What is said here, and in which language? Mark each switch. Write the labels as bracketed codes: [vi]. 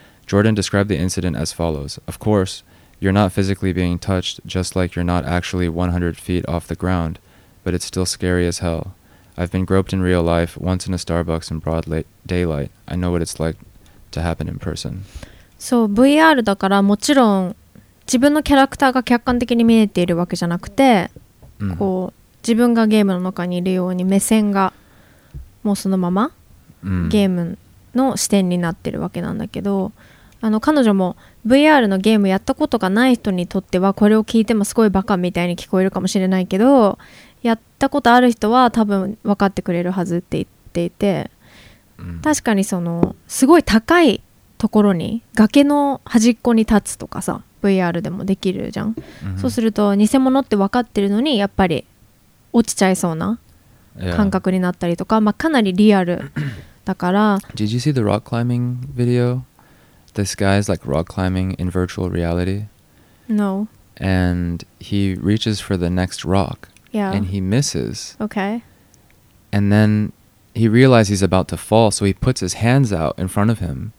[en] Jordan described the incident as follows. Of course, you're not physically being touched, just like you're not actually 100 feet off the ground, but it's still scary as hell. I've been groped in real life, once in a Starbucks in broad daylight. I know what it's like to happen in person. [ja] そう、 VR だからもちろん自分のキャラクターが客観的に見えているわけじゃなくて、こう自分がゲームの中にいるように目線がもうそのままゲームの視点になってるわけなんだけど、あの彼女も VR のゲームやったことがない人にとってはこれを聞いてもすごいバカみたいに聞こえるかもしれないけど、やったことある人は多分分かってくれるはずって言っていて、確かにそのすごい高いところに崖の端っこに立つとかさ、 VR でもできるじゃん、そうすると偽物って分かってるのにやっぱり落ちちゃいそうな感覚になったりとか、まあかなりリアルだから。 [en] Did you see the rock climbing video? This guy is like rock climbing in virtual reality. No. And he reaches for the next rock. Yeah. And he misses. Okay. And then he realizes he's about to fall, so he puts his hands out in front of him.